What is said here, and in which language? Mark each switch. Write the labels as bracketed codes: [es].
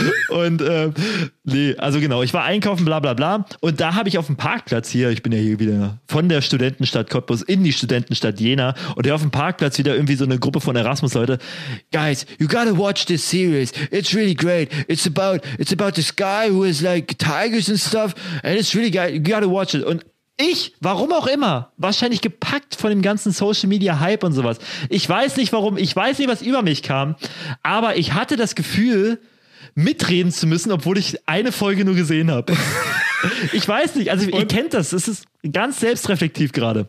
[de] Und nee, also genau, ich war einkaufen, bla bla bla. Und da habe ich auf dem Parkplatz hier, ich bin ja hier wieder von der Studentenstadt Cottbus in die Studentenstadt Jena und hier auf dem Parkplatz wieder irgendwie so eine Gruppe von Erasmus-Leute. [en] Guys, you gotta watch this series. It's really great. It's about this guy who is like tigers and stuff. And it's really great. You gotta watch it. [de] Und ich, warum auch immer, wahrscheinlich gepackt von dem ganzen Social-Media-Hype und sowas. Ich weiß nicht, warum, ich weiß nicht, was über mich kam, aber ich hatte das Gefühl, mitreden zu müssen, obwohl ich eine Folge nur gesehen habe. Ich weiß nicht, also ihr kennt das, es ist ganz selbstreflektiv gerade.